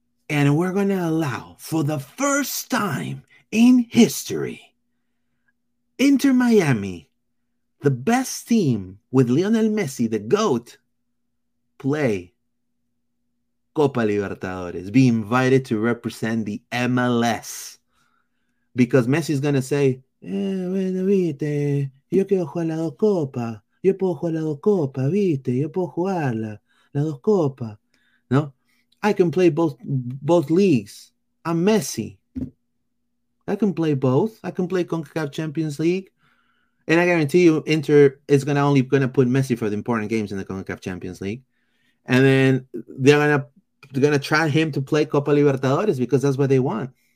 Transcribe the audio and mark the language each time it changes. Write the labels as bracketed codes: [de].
[en] And we're going to allow for the first time in history, Inter Miami, the best team with Lionel Messi, the GOAT, play Copa Libertadores, be invited to represent the MLS. Because Messi's gonna say, [es] bueno, viste, yo quiero jugar la dos copa, yo puedo jugar la dos copa, viste, yo puedo jugar la dos copa. [en] No, I can play both leagues. I'm Messi. I can play both. I can play CONCACAF Champions League. And I guarantee you, Inter is gonna put Messi for the important games in the CONCACAF Champions League, and then they're gonna try him to play Copa Libertadores because that's what they want.